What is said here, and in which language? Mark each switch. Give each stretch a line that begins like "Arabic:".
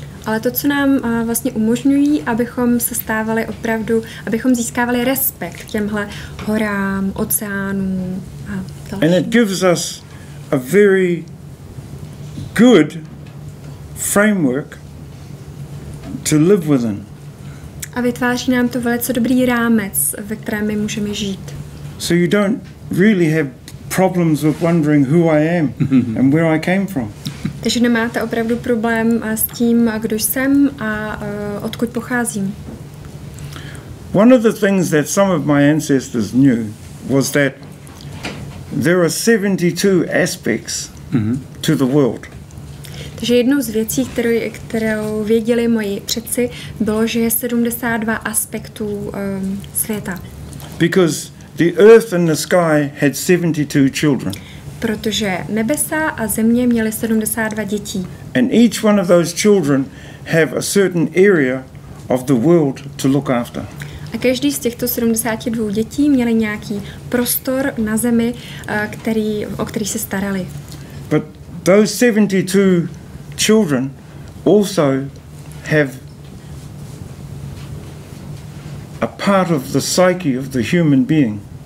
Czech: Ale to, co nám vlastně umožňují, abychom se stávali opravdu, abychom získávali respekt těmhle horám, oceánům a dalším.
English: And it gives us a very good framework to live within.
Czech: A vytváří nám to velice dobrý rámec, ve kterém my můžeme žít.
English: So you don't really have problems with wondering who I am and where I came from.
Czech: Takže nemáte opravdu problém s tím, kdo jsem a odkud pocházím.
English: One of the things that some of my ancestors knew was that there are 72 aspects to the world.
Czech: Takže jednou z věcí, kterou věděli moji předci, bylo, že je 72 aspektů světa.
English: Because the earth and the sky had 72 children.
Czech: Protože nebesa a země měly 72 dětí.
English: And each one of those children have a certain area of the world to look after.
Czech: A každý z těchto 72 dětí měli nějaký prostor na zemi, o který se starali.
English: But those 72 children also have a part of the psyche of the human being.